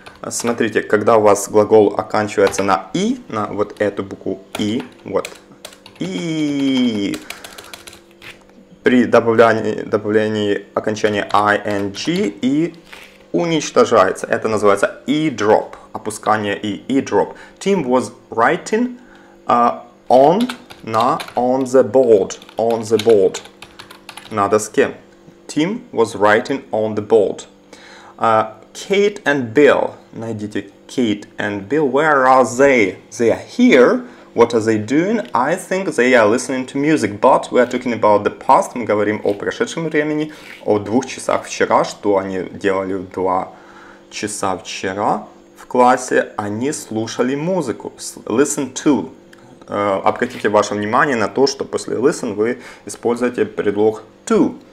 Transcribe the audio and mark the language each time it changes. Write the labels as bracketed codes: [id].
[ru] Смотрите, когда у вас глагол оканчивается на и, на вот эту букву и, вот, и, при добавлении окончания ing и уничтожается. Это называется e-drop, опускание и e-drop. [en] Tim was writing on the board, on the board, [ru] на доске. [en] Tim was writing on the board. Kate and Bill, [ru] найдите [en] Kate and Bill, where are they? They are here. What are they doing? I think they are listening to music, but we are talking about the past. [ru] Мы говорим о прошедшем времени, о двух часах вчера, что они делали в два часа вчера в классе. Они слушали музыку. [en] Listen to. [ru] Обратите ваше внимание на то, что после listen вы используете предлог to.